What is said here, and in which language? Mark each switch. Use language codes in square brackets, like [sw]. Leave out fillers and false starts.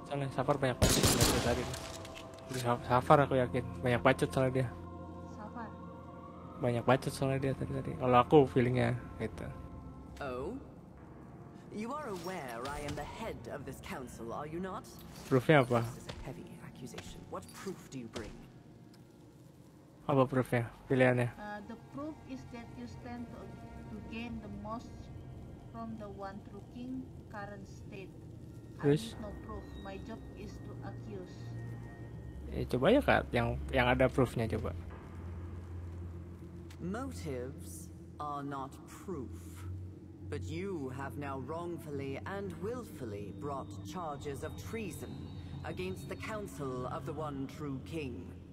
[id] Soalnya Safar banyak pacot dari tadi. Safar aku yakin banyak pacot soalnya dia. Safar. Banyak pacot soalnya dia tadi. Kalau aku feelingnya itu. Oh. [en] You are aware I am the head of this council, are you not? [id] Proofnya apa? [en] This is a heavy accusation. What proof do you bring? [id] Apa proofnya? Pilihannya? [en] The proof is that you stand to gain the most from the one true king current state. [id] Terus? [en] I need no proof. My job is to accuse. [id] Coba ya kak, yang ada proofnya coba. [en] Motives are not proof. But you have now wrongfully and willfully brought charges of treason against the Council of the One True King.